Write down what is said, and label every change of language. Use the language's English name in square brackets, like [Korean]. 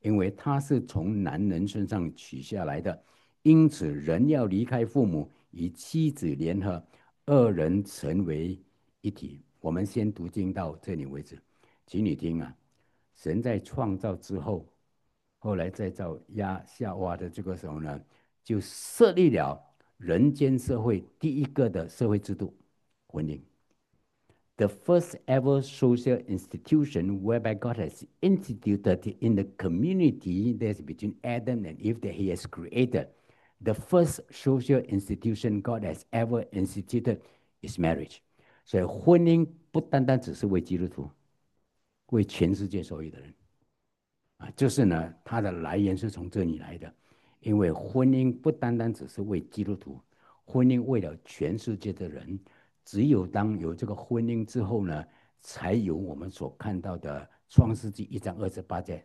[Chinese] 因为他是从男人身上取下来的，因此人要离开父母，与妻子联合，二人成为一体。我们先读经到这里为止，请你听啊，神在创造之后，后来再造亚夏娃的这个时候呢，就设立了人间社会第一个的社会制度，婚姻。 [English] The first ever social institution whereby God has instituted in the community that's between Adam and Eve that He has created. The first social institution God has ever instituted is marriage. [Chinese] So, 婚姻不单单只是为基督徒，为全世界所有的人。啊，就是呢，它的来源是从这里来的，因为婚姻不单单只是为基督徒，婚姻为了全世界的人。只有当有这个婚姻之后呢，才有我们所看到的创世纪1章28节。